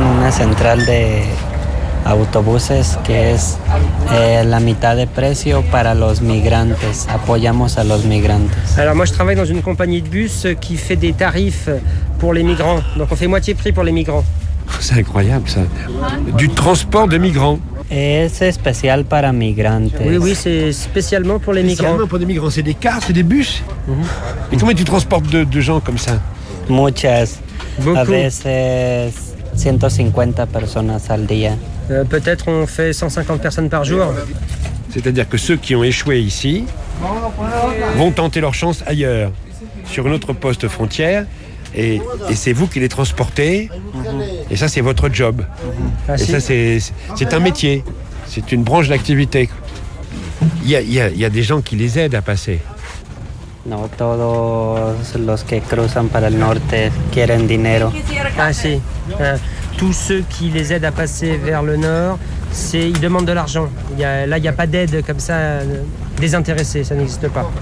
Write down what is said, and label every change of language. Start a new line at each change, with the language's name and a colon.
Spanish: Central de autobuses que es la mitad de precio para los migrantes. Apoyamos a los migrantes.
French: Alors moi je travaille dans une compagnie de bus qui fait des tarifs pour les migrants. Donc on fait moitié prix pour les migrants. C'est incroyable ça. Du transport de migrants.
Spanish: Es especial para migrantes.
French: Oui oui, c'est spécialement pour les migrants. Spécialement pour les migrants, c'est des cars, c'est des bus. Mm-hmm. Et combien tu transportes de gens comme ça?
Spanish: Muchas.
French: Beaucoup.
Spanish: A veces 150 personnes al día.
French: Peut-être on fait 150 personnes par jour. C'est-à-dire que ceux qui ont échoué ici vont tenter leur chance ailleurs, sur un autre poste frontière, et c'est vous qui les transportez, mm-hmm. Et ça c'est votre job. Mm-hmm. Ah, et si. Ça c'est un métier, c'est une branche d'activité. Il y a des gens qui les aident à passer.
Spanish: No todos los que cruzan para el norte quieren dinero. Ah sí.
French: Tous ceux qui les aident à passer vers le nord, c'est ils demandent de l'argent. Il y a pas d'aide comme ça désintéressée, ça n'existe pas.